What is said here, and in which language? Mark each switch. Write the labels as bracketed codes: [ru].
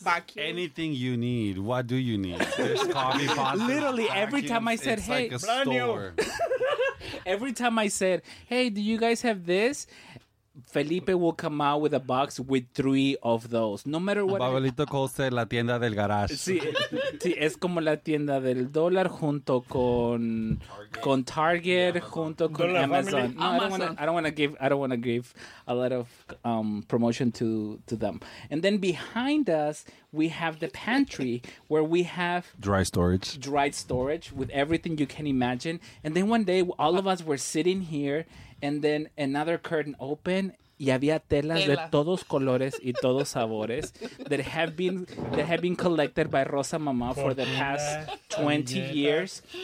[en] Vacuum. Anything you need. What do you need? There's coffee pots. Literally, every time I said, it's hey, like a brand store. New. Every time I said, hey, do you guys have this? Felipe will come out with a box with 3 of those. No matter what. Pablito calls it [es] la tienda del garage. Sí, sí, es como la tienda del dólar junto con Target, con Target junto con Dollar Amazon. [en] No, Amazon. I don't want to give a lot of promotion to them. And then behind us, we have the pantry where we have dry storage with everything you can imagine. And then one day, all of us were sitting here. And then another curtain opened, [es] y había telas de todos colores y todos sabores [en] that have been collected by Rosa Mama for the past 20 years.